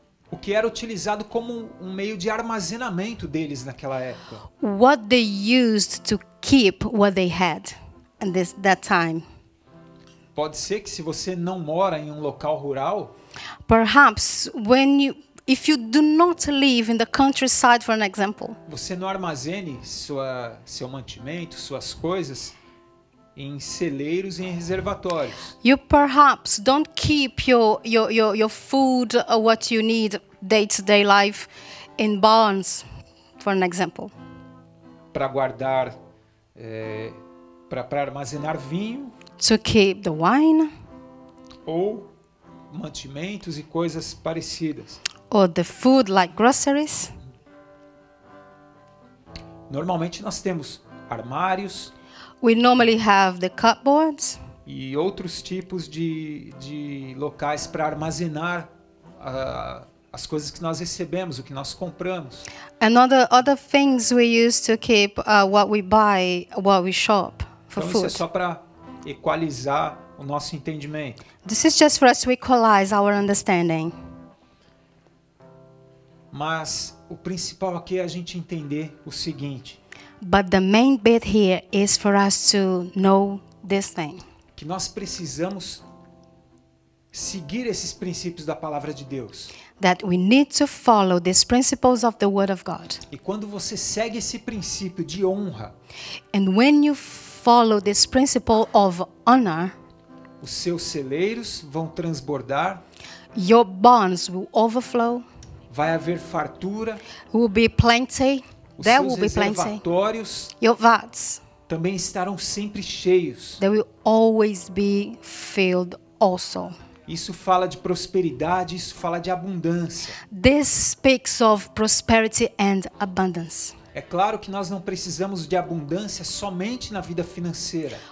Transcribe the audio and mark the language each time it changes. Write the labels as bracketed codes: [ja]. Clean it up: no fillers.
[pt] O que era utilizado como um meio de armazenamento deles naquela época. [en] What they used to keep what they had at that time. [pt] Pode ser que se você não mora em um local rural. [en] Perhaps when you if you do not live in the countryside, for an example. [pt] Você não armazene seu mantimento, suas coisas em celeiros e em reservatórios. [en] You perhaps don't keep your food or what you need day-to-day life in barns, for an example. [pt] Para guardar, para armazenar vinho. [en] To keep the wine. [pt] Ou mantimentos e coisas parecidas. [en] Or the food like groceries. [pt] Normalmente nós temos armários. [en] We normally have the cupboards. [pt] E outros tipos de locais para armazenar as coisas que nós recebemos, o que nós compramos. [en] And other things we use to keep what we buy, what we shop for [pt] então, [en] food. [pt] Isso é só para equalizar o nosso entendimento. [en] This is just for us to equalize our understanding. [pt] Mas o principal aqui é a gente entender o seguinte. [en] But the main bit here is for us to know this thing. [pt] Que nós precisamos seguir esses princípios da palavra de Deus. [en] That we need to follow these principles of the word of God. [pt] E quando você segue esse princípio de honra, [en] and when you follow this principle of honor, [pt] os seus celeiros vão transbordar, [en] your barns will overflow, [pt] vai haver fartura, [en] will be plenty. [pt] Os seus reservatórios também estarão sempre cheios. [en] They will always be filled also. [pt] Isso fala de prosperidade, isso fala de abundância. [en] This speaks of prosperity and abundance. [pt] É claro que nós não precisamos de abundância somente na vida financeira.